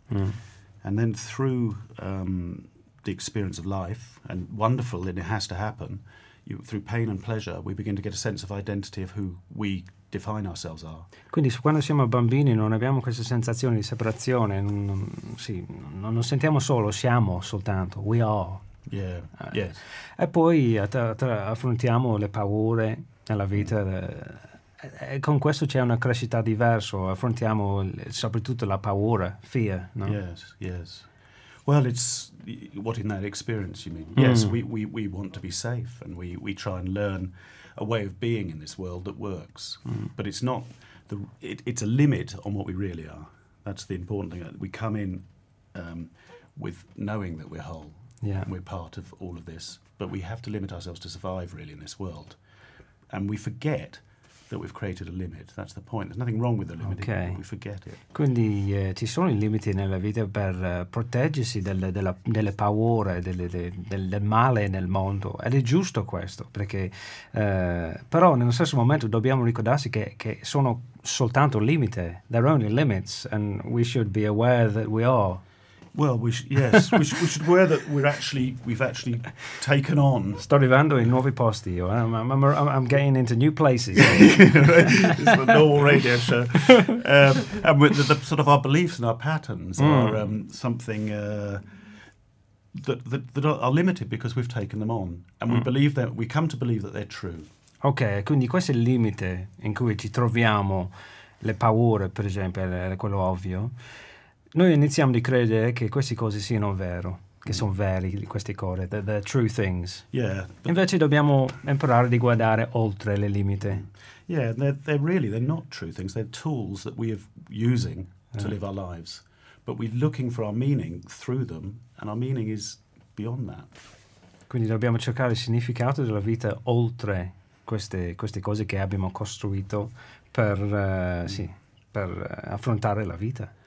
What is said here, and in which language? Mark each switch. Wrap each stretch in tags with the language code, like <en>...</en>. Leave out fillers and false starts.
<en>And then through the experience of life, and wonderful, and it has to happen, through pain and pleasure, we begin to get a sense of identity of who we are. define ourselves are.</en> <it>Quindi quando siamo bambini non abbiamo questa sensazione di separazione, non sentiamo solo, siamo soltanto,</it> <en>we are. Yes.</en> <it>E poi affrontiamo le paure nella vita. E con questo c'è una crescita diversa, affrontiamo soprattutto la paura, fear, no?</it> <en>Yes. Well, it's what in that experience you mean? Mm. Yes, we want to be safe, and we try and learn a way of being in this world that works. Mm. But it's not it's a limit on what we really are. That's the important thing. We come in with knowing that we're whole, yeah, and we're part of all of this. But we have to limit ourselves to survive, really, in this world, and we forget that we've created a limit. That's the point. There's nothing wrong with the limit. Okay. We forget it.</en> <it>Quindi ci sono i limiti nella vita per proteggersi delle paure, del male nel mondo. Ed è giusto questo, perché però nello stesso momento dobbiamo ricordarsi che sono soltanto limite.</it> <en>They're only limits, and we should be aware that we are. Well, we should be aware that we've actually taken on.</en> <it>Sto arrivando in nuovi posti.</it> <en>I'm getting into new places. It's the normal radio show. And with the sort of our beliefs and our patterns are something that are limited because we've taken them on, and we believe that we come to believe that they're true.</en> <it>Okay, quindi questo è il limite in cui ci troviamo, le paure, per esempio, quello ovvio. Noi iniziamo di credere che queste cose siano vero, che sono veri queste cose,</it> <en>the true things. Yeah.</en> <it>Invece dobbiamo imparare di guardare oltre le limite.</it> <en>Yeah, they're not true things. They're tools that we are using to live our lives. But we're looking for our meaning through them, and our meaning is beyond that.</en> <it>Quindi dobbiamo cercare il significato della vita oltre queste cose che abbiamo costruito per affrontare la vita.</it>